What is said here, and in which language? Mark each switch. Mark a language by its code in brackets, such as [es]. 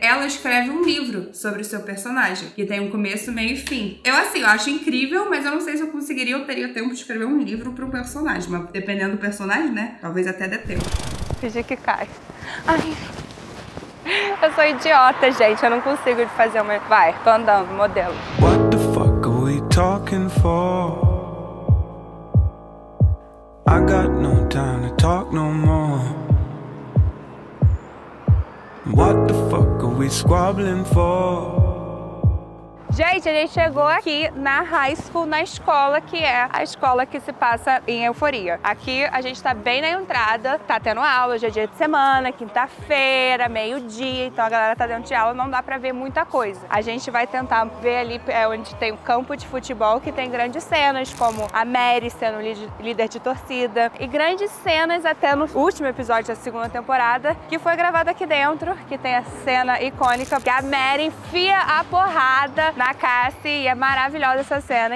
[pt] Ela escreve um livro sobre o seu personagem, que tem um começo, meio e fim. Eu acho incrível, mas eu não sei se eu conseguiria ou teria tempo de escrever um livro pra um personagem. Mas dependendo do personagem, né? Talvez até dê tempo. Fingir que cai. Ai. Eu sou idiota, gente. Eu não consigo fazer uma... Vai, tô andando, modelo. [en] What the fuck are we talking for? I got no time to talk no more. What the fuck are we squabbling for? [pt] Gente, a gente chegou aqui na high school, na escola, que é a escola que se passa em Euforia. Aqui a gente tá bem na entrada, tá tendo aula, hoje é dia de semana, quinta-feira, meio-dia, então a galera tá dentro de aula, não dá pra ver muita coisa. A gente vai tentar ver ali onde tem o campo de futebol, que tem grandes cenas, como a Mary sendo líder de torcida, e grandes cenas até no último episódio da segunda temporada, que foi gravado aqui dentro, que tem a cena icônica, que a Mary enfia a porrada na Cassie, e é maravilhosa essa cena.